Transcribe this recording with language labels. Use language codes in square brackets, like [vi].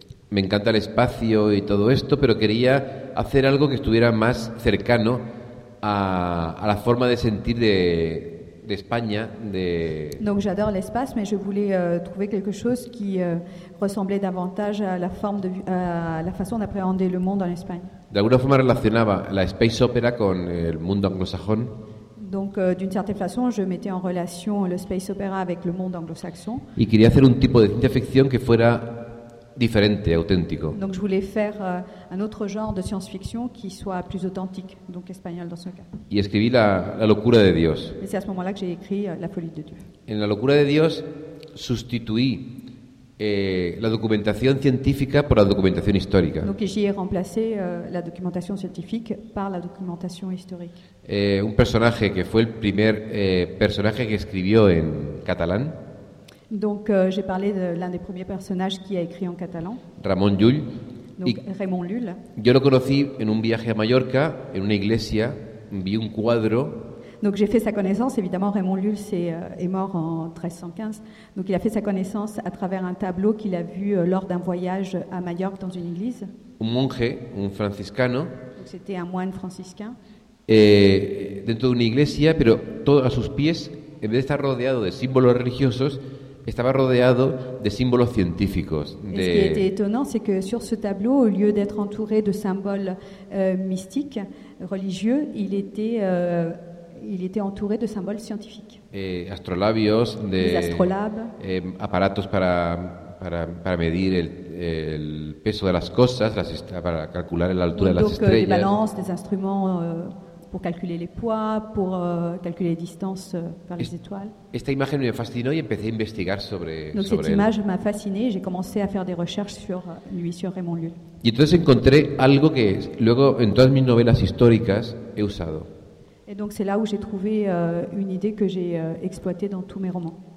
[es] Me encanta el espacio y todo esto, pero quería hacer algo que estuviera más cercano a la forma de sentir de España. [fr] Donc j'adore l'espace, mais je voulais trouver quelque chose qui ressemblait davantage à la forme de à la façon d'appréhender le monde en Espagne. [es] De alguna forma relacionaba la space opera con el mundo anglosajón. [fr] Donc d'une certaine façon, je mettais en relation le space opera avec le monde anglo-saxon. [es] Y quería hacer un tipo de ciencia ficción que fuera diferente, auténtico. [fr] Donc je voulais faire un autre genre de science-fiction qui soit plus authentique, donc espagnol dans ce cas. [es] Y escribí la locura de Dios. [fr] Et c'est à ce moment-là que j'ai écrit La folie de Dieu. [es] En La locura de Dios sustituí la documentación científica por la documentación histórica. [fr] Donc j'y ai remplacé la documentation scientifique par la documentation historique. [es] Un personaje que fue el primer personaje que escribió en catalán. [fr] Donc j'ai parlé de l'un des premiers personnages qui a écrit en catalan. [es] Ramon Llull. [fr] Donc Raymond Llull. [es] Yo lo conocí en un viaje a Mallorca, en una iglesia, vi un cuadro. [fr] Donc j'ai fait sa connaissance, évidemment Raymond Llull est mort en 1315. Donc il a fait sa connaissance à travers un tableau qu'il a vu lors d'un voyage à Mallorca dans une église. [es] Un monje, un franciscano. [fr] Donc c'était un moine franciscain. [es] Dentro de una iglesia, pero todo a sus pies, en vez de estar rodeado de símbolos religiosos, estaba rodeado de símbolos científicos. [fr] Ce qui était étonnant, c'est que sur ce tableau, au lieu d'être entouré de symboles mystiques, religieux, il était entouré de symboles scientifiques. [es] Astrolabios, [fr] astrolabes, [es] aparatos para medir el peso de las cosas, para calcular la altura de las estrellas. [fr] Donc des balances, des instruments pour calculer les poids, pour calculer les distances vers les étoiles. [es] Esta imagen me fascinó y empecé a investigar sobre él. [fr] Donc cette image m'a fasciné, j'ai commencé à faire des recherches sur lui, sur Raymond Llull. [es] Y entonces encontré algo que luego en todas mis novelas históricas he usado. [fr] Et donc c'est là où j'ai trouvé une idée que j'ai exploitée dans tous mes romans.